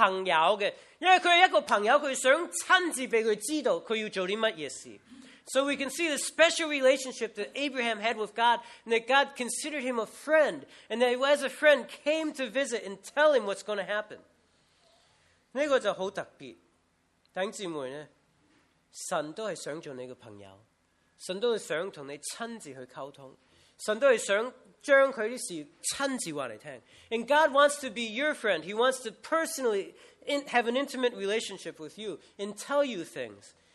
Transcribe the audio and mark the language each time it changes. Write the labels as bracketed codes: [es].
[en] Because he's a friend, he wants personally to know what he wants to do. So we can see the special relationship that Abraham had with God, and that God considered him a friend, and that he, as a friend, came to visit and tell him what's going to happen. This is very special. [zh] 弟兄姊妹呢, 神都是想做你的朋友, 神都是想跟你親自去溝通, 神都是想將他的事親自告訴你。 [en] And God wants to be your friend. He wants to personally have an intimate relationship with you and tell you things.